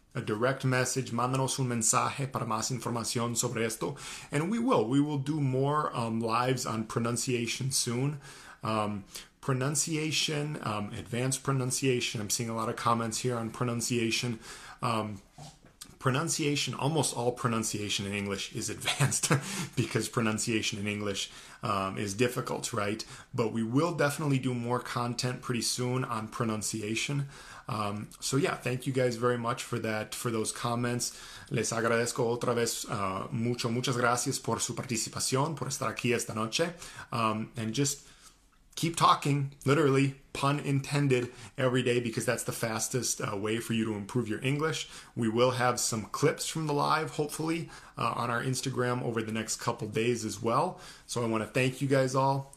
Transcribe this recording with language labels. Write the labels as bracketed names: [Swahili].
[English] A direct message, [Spanish] mándanos un mensaje para más información sobre esto. [English] And we will do more lives on pronunciation soon. Pronunciation, advanced pronunciation, I'm seeing a lot of comments here on pronunciation. Pronunciation, almost all pronunciation in English is advanced because pronunciation in English is difficult, right? But we will definitely do more content pretty soon on pronunciation. So yeah, thank you guys very much for that, for those comments. [Spanish] Les agradezco otra vez mucho, muchas gracias por su participación, por estar aquí esta noche. [English] And just keep talking, literally, pun intended, every day, because that's the fastest way for you to improve your English. We will have some clips from the live, hopefully, on our Instagram over the next couple days as well. So I want to thank you guys all.